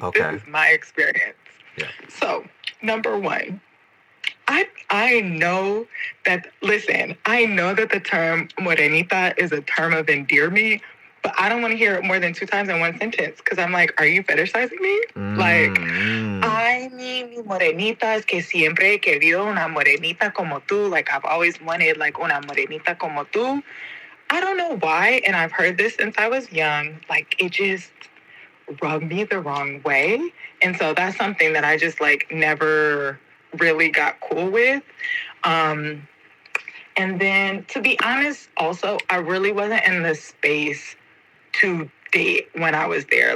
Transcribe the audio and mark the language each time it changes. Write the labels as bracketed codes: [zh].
[en] Okay. This is my experience. Yeah. So, number one, I know that the term morenita is a term of endearment, but I don't want to hear it more than two times in one sentence because I'm like, are you fetishizing me? Mm. [es] Like, ay, mi morenita, es que siempre he querido una morenita como tú. [en] Like, I've always wanted, like, una morenita como tú. I don't know why, and I've heard this since I was young. Like, it just rubbed me the wrong way. And so that's something that I just, like, never really got cool with. And then, to be honest, also, I really wasn't in the space to date when I was there.